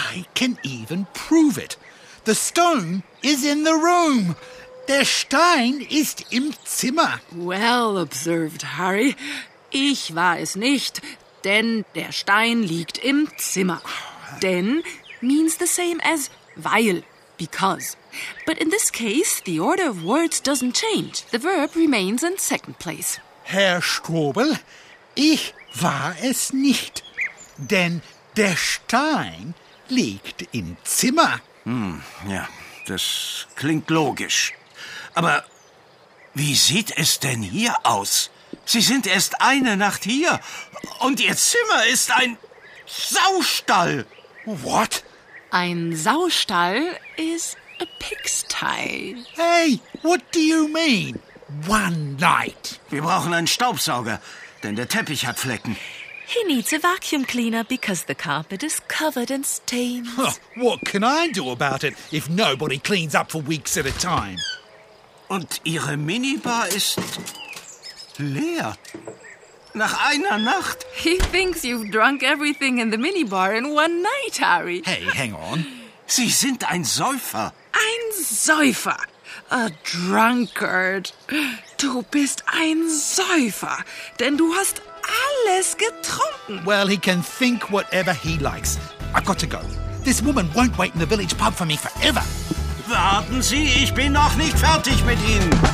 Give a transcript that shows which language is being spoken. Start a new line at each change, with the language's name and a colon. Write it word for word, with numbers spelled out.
English: I can even prove it. The stone is in the room.
German: Der Stein ist im Zimmer.
English: Well observed, Harry.
German: Ich war es nicht, denn der Stein liegt im Zimmer.
English: Denn... means the same as weil, because. But in this case, the order of words doesn't change. The verb remains in second place.
German: Herr Strobel, ich war es nicht, denn der Stein liegt im Zimmer. Hm, ja, das klingt logisch. Aber wie sieht es denn hier aus? Sie sind erst eine Nacht hier und Ihr Zimmer ist ein Saustall.
English: What? Ein Saustall is a pigsty. Hey, what do you mean? One night.
German: Wir brauchen einen Staubsauger, denn der Teppich hat Flecken.
English: He needs a vacuum cleaner because the carpet is covered in stains. Huh, what can I do about it if nobody cleans up for weeks at a time?
German: Und Ihre Minibar ist leer. Nach einer Nacht.
English: He thinks you've drunk everything in the minibar in one night, Harry. Hey, hang on.
German: Sie sind ein Säufer. Ein Säufer.
English: A drunkard.
German: Du bist ein Säufer, denn du hast alles getrunken.
English: Well, he can think whatever he likes. I've got to go. This woman won't wait in the village pub for me forever.
German: Warten Sie, ich bin noch nicht fertig mit Ihnen.